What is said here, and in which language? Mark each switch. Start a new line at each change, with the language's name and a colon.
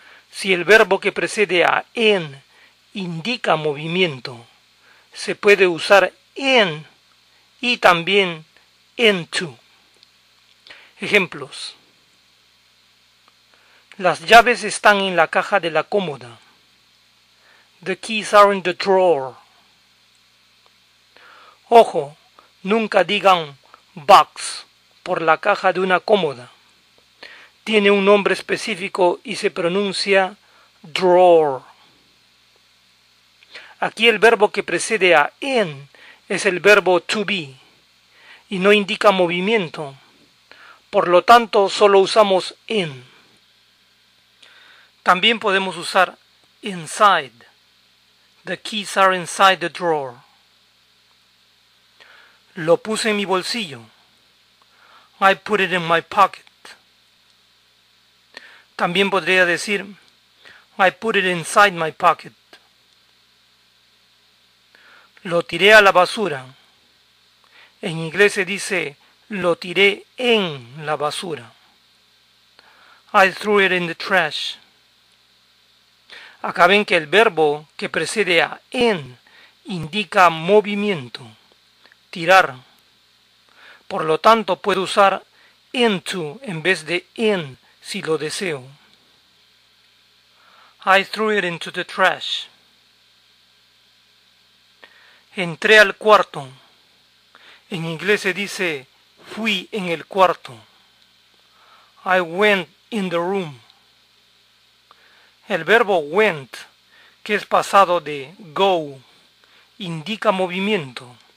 Spanish: Si el verbo que precede a en indica movimiento, se puede usar en y también into. Ejemplos. Las llaves están en la caja de la cómoda.
English: The keys are in the drawer.
Spanish: Ojo, nunca digan box por la caja de una cómoda. Tiene un nombre específico y se pronuncia drawer. Aquí el verbo que precede a en es el verbo to be y no indica movimiento. Por lo tanto, solo usamos en. También podemos usar inside.
English: The keys are inside the drawer.
Spanish: Lo puse en mi bolsillo.
English: I put it in my pocket.
Spanish: También podría decir,
English: I put it inside my pocket.
Spanish: Lo tiré a la basura. En inglés se dice, lo tiré en la basura.
English: I threw it in the trash.
Spanish: Acá ven que el verbo que precede a en indica movimiento, tirar. Por lo tanto, puedo usar into en vez de en si lo deseo.
English: I threw it into the trash.
Spanish: Entré al cuarto. En inglés se dice, fui en el cuarto.
English: I went in the room.
Spanish: El verbo went, que es pasado de go, indica movimiento.